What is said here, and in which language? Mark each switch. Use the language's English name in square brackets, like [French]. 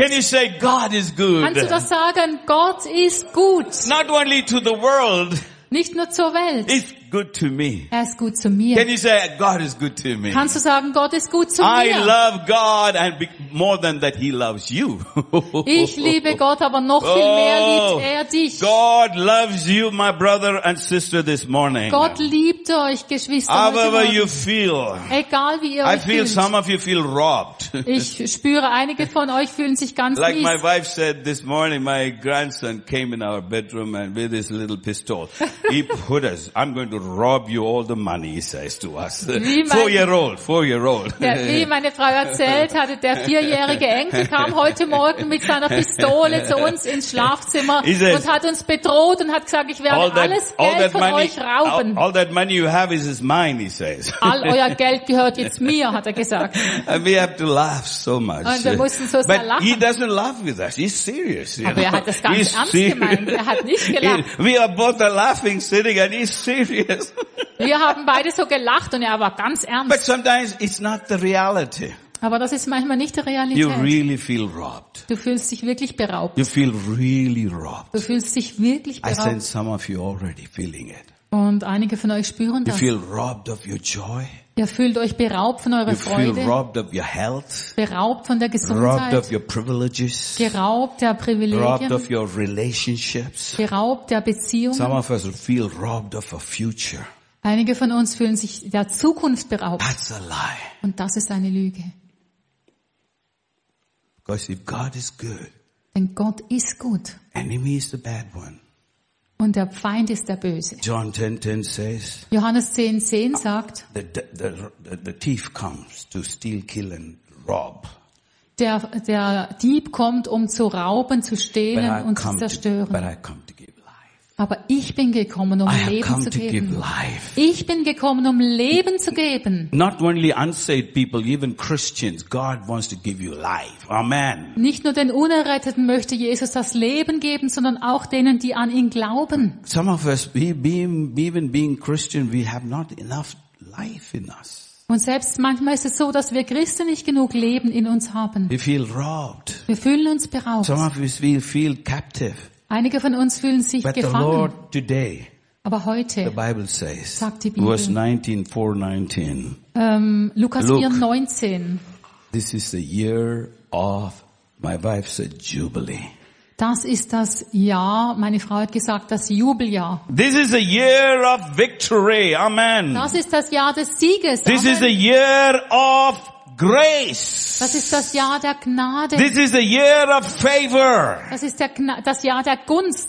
[English] Can you say God is good? [German] Kannst du das sagen? Gott ist gut. [English] Not only to the world. [German] Nicht nur zur Welt. [English] It's good to me. [German] Er ist gut zu mir. [English] Can you say God is good to me? [German] Kannst du sagen, Gott ist gut zu [English] I [German] mir? [English] I love God and more than that he loves you. [German] Ich liebe Gott, aber noch viel mehr liebt er dich. [English] God loves you, my brother and sister this morning. [German] Gott liebt euch, Geschwister. [English] However you feel. [German] Egal wie ihr [English] I [German] euch [English] feel [German] fühlt. [English] Some of you feel robbed. [German] Ich spüre, einige von euch fühlen sich ganz mies. [English] Like my wife said this morning, my grandson came in our bedroom and with his little pistol. He put us, I'm going to rob you all the money, he says to us. Four-year-old. [German] Wie meine Frau erzählt hatte, der vierjährige Enkel kam heute Morgen mit seiner Pistole zu uns ins Schlafzimmer und hat uns bedroht und hat gesagt, ich werde alles Geld von euch rauben. [English] All that money you have is mine, he says. [German] All euer Geld gehört jetzt mir, hat er gesagt. [English] And we have to laugh so much. [German] Und wir mussten so [English] But [German] sehr lachen. [English] He doesn't laugh with us, he's serious. [German] Aber er hat das ganz ernst gemeint, er hat nicht gelacht. [English] We are both laughing, sitting, and he's serious. [German] Wir haben beide so gelacht und er war ganz ernst. [English] But sometimes it's not the reality. [German] Aber das ist manchmal nicht die Realität. [English] You really feel robbed. [German] Du fühlst dich wirklich beraubt. [English] You feel really robbed. [German] Du fühlst dich wirklich beraubt. [English] I sense some of you already feeling it. [German] Und einige von euch spüren das. [English] You feel robbed of your joy. [German] Ihr fühlt euch beraubt von eurer [English] you [German] Freude. [English] Feel robbed of your health. [German] Beraubt von der Gesundheit. [English] Robbed of your privileges. [German] Geraubt der Privilegien. [English] Robbed of your relationships. [German] Beraubt der Beziehungen. [English] Some of us feel robbed of a future. [German] Einige von uns fühlen sich der Zukunft beraubt. [English] That's a lie. [German] Und das ist eine Lüge. [English] Because if God is good, [German] denn Gott ist gut. [English] Enemy is the bad one. [German] Und der Feind ist der Böse. [English] John 10:10 says, [German] Johannes 10:10 sagt, [English] the thief comes to steal, kill and rob. [German] Der Dieb kommt, um zu rauben, zu stehlen und zu zerstören. [English] But I come to give life. [German] Aber ich bin gekommen, um Leben zu geben. [English] I have come to give life. [German] Ich bin gekommen, um Leben zu geben. [English] Not only unsaved people, even Christians, God wants to give you life. Amen. [German] Nicht nur den Unerretteten möchte Jesus das Leben geben, sondern auch denen, die an ihn glauben. [English] Some of us, being Christian, we have not enough life in us. [German] Und selbst manchmal ist es so, dass wir Christen nicht genug Leben in uns haben. [English] We feel robbed. [German] Wir fühlen uns beraubt. [English] Some of us, we feel captive. [German] Einige von uns fühlen sich [English] But [German] gefangen. [English] The Lord today, [German] aber heute, [English] the Bible says, [German] sagt die Bibel, Vers 19:4-19. Lukas 4:19. [English] This is the year of my wife's jubilee. [German] Das ist das Jahr, meine Frau hat gesagt, das Jubeljahr. [English] This is a year of victory. Amen. [German] Das ist das Jahr des Sieges. [English] This [German] Amen. [English] Is a year of grace. [German] Das ist das Jahr der Gnade. [English] This is a year of favor. [German] Das ist das Jahr der Gunst.